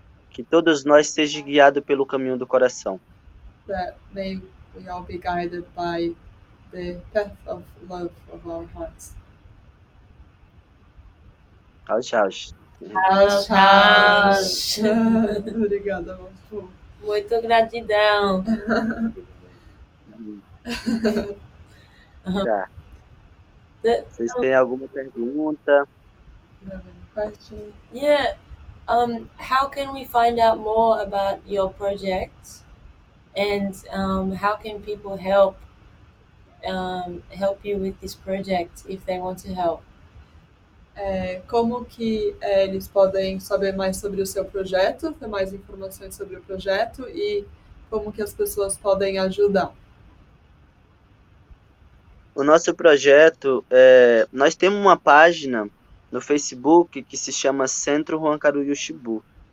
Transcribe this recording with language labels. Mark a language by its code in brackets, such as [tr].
[pt] Que todos nós sejamos guiados pelo caminho do coração. [en] That may we all be guided by the path of love of our hearts. [pt] Tchau, tchau. Obrigada, Mofu. Muito gratidão. Tá. Vocês têm alguma pergunta? [en] Yeah. How can we find out more about your project? And how can people help help you with this project if they want to help? [pt] como que eles podem saber mais sobre o seu projeto, ter mais informações sobre o projeto e como que as pessoas podem ajudar. O nosso projeto, nós temos uma página no Facebook que se chama Centro Juan Carujo Xibu.